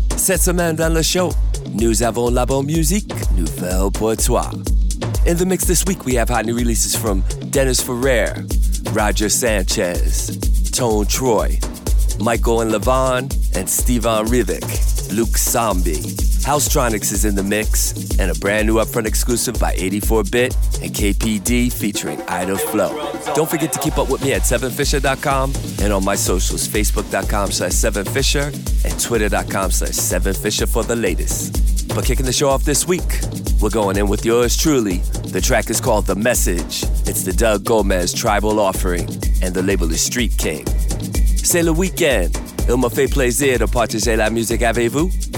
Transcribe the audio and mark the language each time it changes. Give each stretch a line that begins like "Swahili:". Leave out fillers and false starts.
French: Cette semaine dans le show, nous avons la bonne musique nouvelle pour toi.
English: In the mix this week, we have hot new releases from Dennis Ferrer, Roger Sanchez, Tone Troy, Michael and LaVon, and Stevan Rivik, Luke Zombie. Housetronics is in the mix, and a brand new upfront exclusive by 84-Bit and KPD featuring Ida Flow. Don't forget to keep up with me at 7fisher.com and on my socials, facebook.com/7fisher and twitter.com/7fisher for the latest. But kicking the show off this week, we're going in with yours truly. The track is called The Message. It's the Doug Gomez Tribal Offering, and the label is Street King.
French: C'est le week-end. Il me fait plaisir de partager la musique avec vous.